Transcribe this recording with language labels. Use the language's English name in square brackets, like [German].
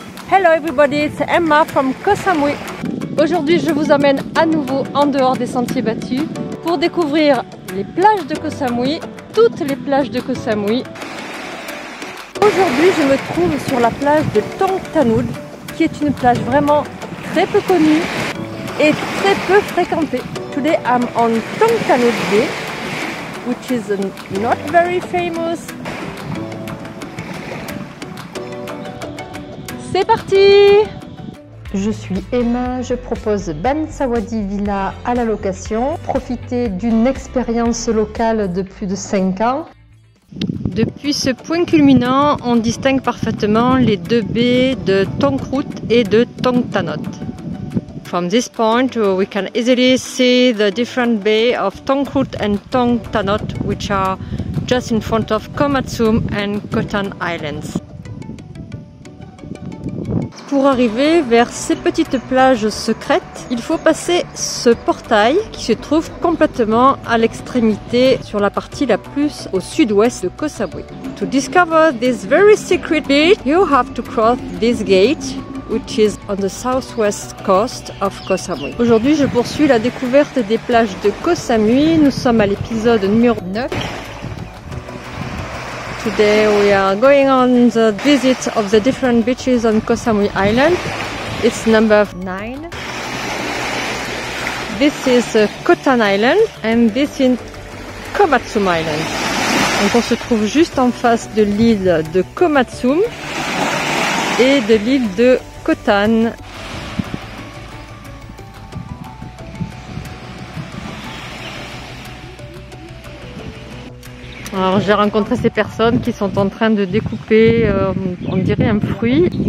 [English] Hello everybody, it's Emma from Koh Samui. [French] Aujourd'hui je vous emmène à nouveau en dehors des sentiers battus pour découvrir les plages de Koh Samui, toutes les plages de Koh Samui. Aujourd'hui je me trouve sur la plage de Thong Tanote, qui est une plage vraiment très peu connue et très peu fréquentée. [English] Today I'm on Thong Tanote Bay, which is not very famous. [French] C'est parti! Je suis Emma, je propose Ben Sawadi Villa à la location. Profitez d'une expérience locale de plus de 5 ans. Depuis ce point culminant, on distingue parfaitement les deux baies de Thong Tanote et de Thong Tanote. [English] From this point, we can easily see the different bay of Thong Tanote and Thong Tanote, which are just in front of Koh Samui and Koh Tan Islands. [French] Pour arriver vers ces petites plages secrètes, il faut passer ce portail qui se trouve complètement à l'extrémité sur la partie la plus au sud-ouest de Koh Samui. [English] To discover this very secret beach, you have to cross this gate, which is on the southwest coast of Koh Samui. [French] Aujourd'hui, je poursuis la découverte des plages de Koh Samui. Nous sommes à l'épisode numéro 9. [English] Today we are going on the visit of the different beaches on Koh Samui Island. It's number 9. This is Koh Tan Island and this is Koh Samui Island. [French] Donc on se trouve juste en face de l'île de Koh Samui et de l'île de Koh Tan. Alors j'ai rencontré ces personnes qui sont en train de découper, on dirait un fruit.